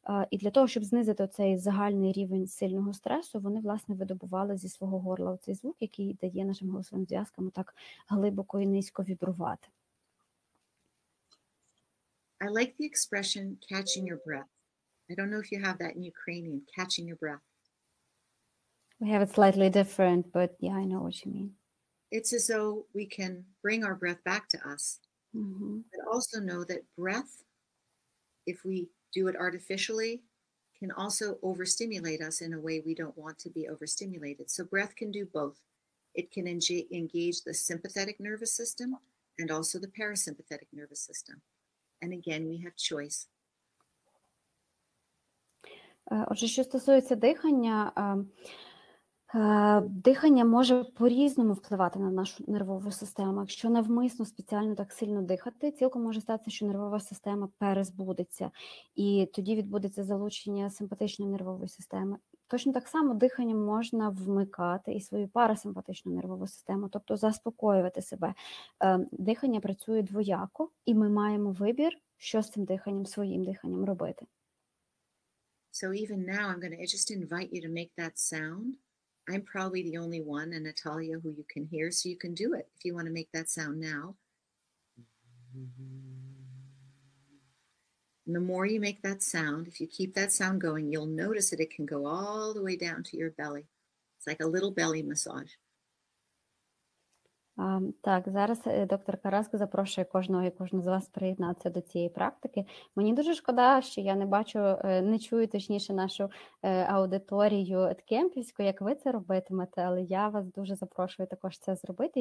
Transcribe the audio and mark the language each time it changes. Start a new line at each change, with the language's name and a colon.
Ukrainian: І для того, щоб знизити оцей загальний рівень сильного стресу, вони, власне, видобували зі свого горла оцей звук, який дає нашим голосовим зв'язкам так глибоко і низько вібрувати.
English: I like the expression catching your breath. I don't know if you have that in Ukrainian, catching your breath. We have it slightly different, but yeah, I know what you mean. It's as though we can bring our breath back to us. Mm-hmm. But also know that breath, if we do it artificially, can also overstimulate us in a way we don't want to be overstimulated. So breath can do both. It can engage the sympathetic nervous system and also the parasympathetic nervous system. And again, we have choice.
Ukrainian: Отже, що стосується дихання, дихання може по-різному впливати на нашу нервову систему. Якщо навмисно спеціально так сильно дихати, цілком може статися, що нервова система перезбудеться, і тоді відбудеться залучення симпатичної нервової системи. Точно так само дихання можна вмикати і свою парасимпатичну нервову систему, тобто заспокоювати себе. Дихання працює двояко, і ми маємо вибір, що з цим диханням, своїм диханням робити.
English: So even now I'm going to just invite you to make that sound. I'm probably the only one, and Natalia, who you can hear, so you can do it if you want to make that sound now. And the more you make that sound, if you keep that sound going, you'll notice that it can go all the way down to your belly. It's like a little belly massage.
Ukrainian: Так, зараз доктор Караска запрошує кожного і кожну з вас приєднатися до цієї практики. Мені дуже шкода, що я не чую нашу аудиторію Кемпівську, як ви це робитимете, але я вас дуже запрошую також це зробити.